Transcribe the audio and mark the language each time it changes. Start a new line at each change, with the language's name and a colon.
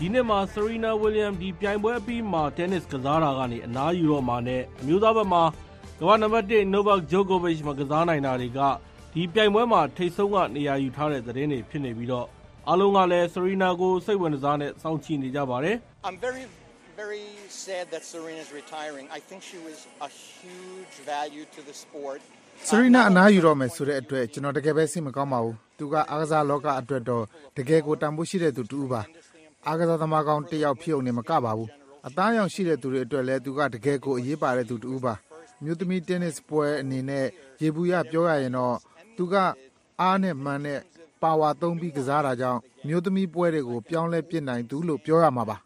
Burmese: ဒီနေ့မှာ Serena Williams ဒီပြိုင်ပွဲအပြီးမှာတင်းနစ်ကစားတာကနေအနားယူတော့မှနဲ့အမျိုးသားဘက်မှာကမ္ဘာနံပါတ်1 Novak Djokovic မှာကစားနိုင်တာတွေကဒီပြိုင်ပွဲမှာထိပ်ဆုံးကနေရာယူထားတဲ့သတင်းတွေဖြစ်နေပြီးတော့အလုံးကလည်း Serena ကိုစိတ်ဝင်စားနဲ့စောင့်ကြည့်နေကြပါတယ်
English: I'm very very sad that Serena is retiring. I think she was a huge value to the sport.
Burmese: Serena အနားယူတော့မယ်ဆိုတဲ့အတွက်ကျွန်တော်တကယ်ပဲစိတ်မကောင်းပါဘူး။သူကအားကစားလောကအတွက်တော့တကယ်ကိုတန်ဖိုးရှိတဲ့သူတူပါ။အားကစားသမားကောင်းတယောက်ဖြစ်ုံနဲ့မကပါဘူး။အသားအရောင်ရှိတဲ့သူတွေအတွက်လည်းသူကတကယ်ကိုအရေးပါတဲ့သူတူပါ။မြို့သမီးတင်းနစ်ပွဲအနေနဲ့ရေဘူးရပြောရရင်တော့သူကအားနဲ့မှန်နဲ့ပါဝါသုံးပြီးကစားတာကြောင့်မြို့သမီးပွဲတွေကိုပြောင်းလဲပြစ်နိုင်သူလို့ပြောရမှာပ